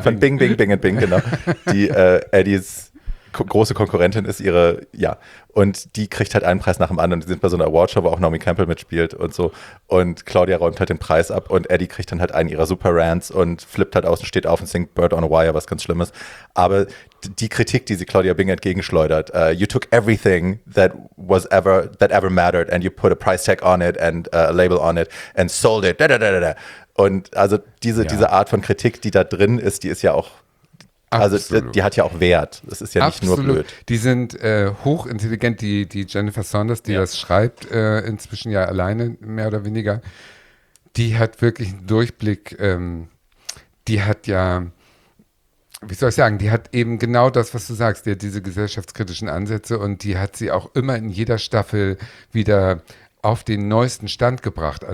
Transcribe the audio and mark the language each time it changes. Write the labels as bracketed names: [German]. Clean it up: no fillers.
[German] Von Bing, Bing, Bing, Bing, Bing, genau. Die Eddies große Konkurrentin ist ihre, ja. Und die kriegt halt einen Preis nach dem anderen. Die sind bei so einer Awardshow, wo auch Naomi Campbell mitspielt und so. Und Claudia räumt halt den Preis ab und Eddie kriegt dann halt einen ihrer Super-Rants und flippt halt aus und steht auf und singt Bird on a Wire, was ganz Schlimmes. Aber die Kritik, die sie Claudia Bing entgegenschleudert, [English] you took everything that ever mattered and you put a price tag on it and a label on it and sold it. Da-da-da-da-da. [German] Und also diese Art von Kritik, die da drin ist, die ist ja auch, absolut. Also die hat ja auch Wert. Das ist ja nicht absolut. Nur blöd. Die sind hochintelligent, die Jennifer Saunders, die das schreibt, inzwischen ja alleine mehr oder weniger, die hat wirklich einen Durchblick, die hat ja, wie soll ich sagen, die hat eben genau das, was du sagst, die hat diese gesellschaftskritischen Ansätze und die hat sie auch immer in jeder Staffel wieder auf den neuesten Stand gebracht.